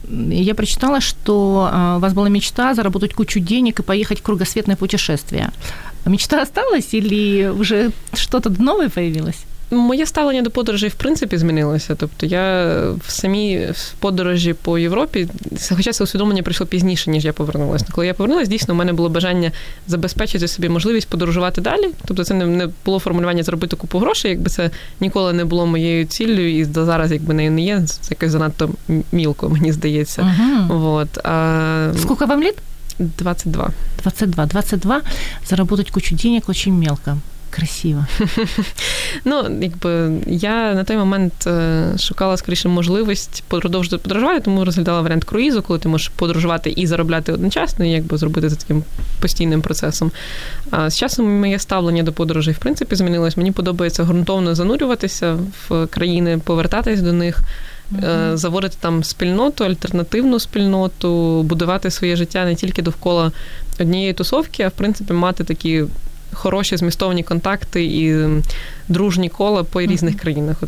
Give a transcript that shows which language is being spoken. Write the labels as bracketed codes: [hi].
[uk] Я прочитала, що у вас була [ru] мечта заработати кучу денег [uk] і поїхати в кругосвітне путешествие. [ru] Мечта осталась или вже что-то нове появилось? [uk] Моє ставлення до подорожей, в принципі, змінилося. Тобто я в самій подорожі по Європі, хоча це усвідомлення прийшло пізніше, ніж я повернулася. Коли я повернулася, дійсно, у мене було бажання забезпечити собі можливість подорожувати далі. Тобто це не було формулювання заробити купу грошей, якби це ніколи не було моєю ціллю, і до зараз, якби нею не є, це якось занадто мілко, мені здається. Вот. Скільки вам літ? 22. 22. 22. [ru] Заработать кучу денег очень мелко. Красиво. [uk] Ну, якби, я на той момент шукала, скоріше, можливість продовжувати подорожувати, тому розглядала варіант круїзу, коли ти можеш подорожувати і заробляти одночасно, і якби зробити це таким постійним процесом. А з часом моє ставлення до подорожей, в принципі, змінилось. Мені подобається ґрунтовно занурюватися в країни, повертатись до них, заводити там спільноту, альтернативну спільноту, будувати своє життя не тільки довкола однієї тусовки, а, в принципі, мати такі хороші змістовні контакти і дружні кола по різних країнах.